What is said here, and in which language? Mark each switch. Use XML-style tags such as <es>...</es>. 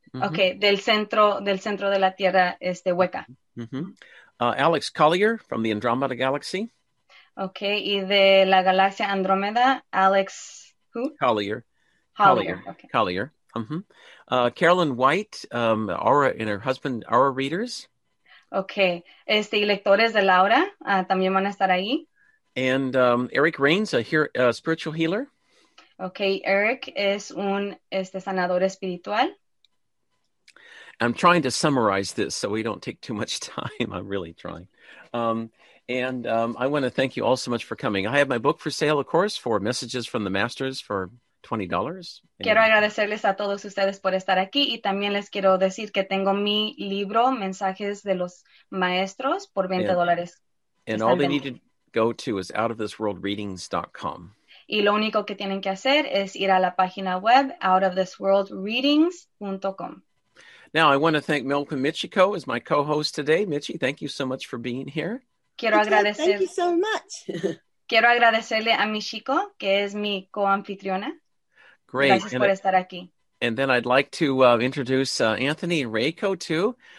<es>Mm-hmm. Okay, del centro de la Tierra, hueca.</es> <en>Mm-hmm. Alex Collier from the Andromeda Galaxy.</en> <es>Okay, y de la galaxia Andromeda,</es> <en>Alex who? Collier. Mm-hmm. Carolyn White, Aura and her husband, Aura Readers.</en> <es>Okay, y lectores de Laura también van a estar ahí.</es> <en>And Eric Raines, a spiritual healer.</en> <es>Okay, Eric es un sanador espiritual.</es> <en>I'm trying to summarize this so we don't take too much time. I'm really trying. I want to thank you all so much for coming. I have my book for sale, of course, for Messages from the Masters for $20.</en> <es>Quiero agradecerles a todos ustedes por estar aquí y también les quiero decir que tengo mi libro, Mensajes de los Maestros, por $20.</es> <en>And all they need to go to is outofthisworldreadings.com.</en> <es>Y lo único que tienen que hacer es ir a la página web outofthisworldreadings.com.</es> <en>Now, I want to thank Milka Michiko as my co-host today. Michi, thank you so much for being here.</en> <es>Quiero agradecer.</es> <en>Thank you so much.</en> <es>Quiero agradecerle a Michiko, que es mi co-anfitriona.</es> <en>Great.</en> <es>Gracias por estar aquí.</es> <en>And then I'd like to introduce Anthony and Reiko too.</en>